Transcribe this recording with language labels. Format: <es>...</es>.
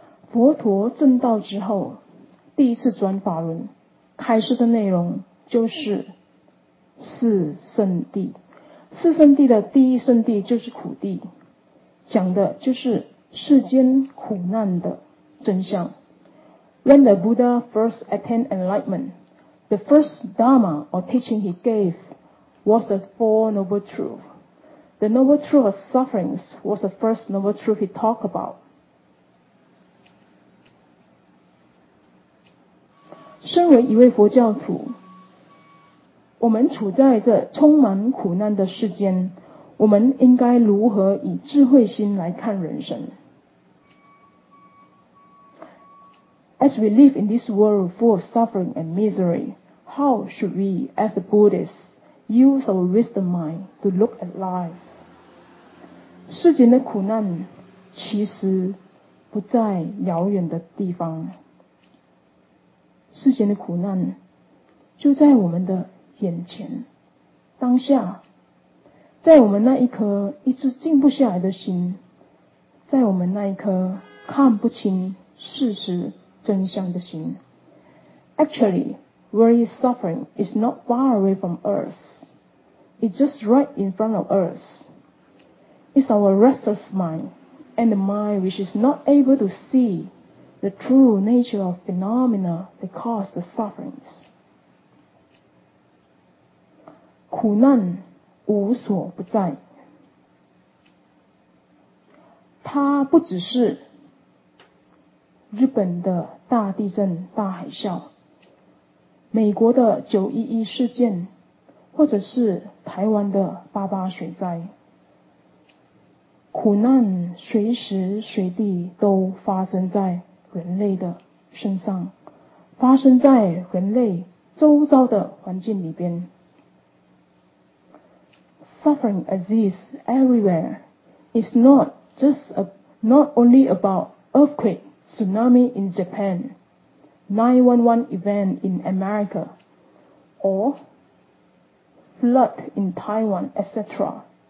<zh>佛陀证道之后，第一次转法轮，开示的内容就是四圣地。四圣地的第一圣地就是苦地，讲的就是世间苦难的真相。</zh> <en>When the Buddha first attained enlightenment, the first Dharma or teaching he gave was the Four Noble Truths. The Noble Truth of Sufferings was the first Noble Truth he talked about.</en> <zh>身为一位佛教徒，我们处在这充满苦难的世间，我们应该如何以智慧心来看人生？</zh> <en>As we live in this world full of suffering and misery, how should we, as a Buddhist, use our wisdom mind to look at life?</en> <zh>世间的苦难其实不在遥远的地方，世间的苦难就在我们的眼前，当下，在我们那一颗一直静不下来的心，在我们那一颗看不清事实真相的心。</zh> <en>Actually, very suffering is not far away from us. It's just right in front of us. It's our restless mind and the mind which is not able to see the true nature of phenomena that cause the sufferings.</en> <zh>苦难无所不在，它不只是日本的大地震、大海啸，美国的911事件，或者是台湾的88水灾，苦难随时随地都发生在人类的身上，发生在人类周遭的环境里边。</zh> <en>Suffering exists everywhere. It's not only about earthquakeTsunami in Japan, 911 event in America, or flood in Taiwan, etc.</en>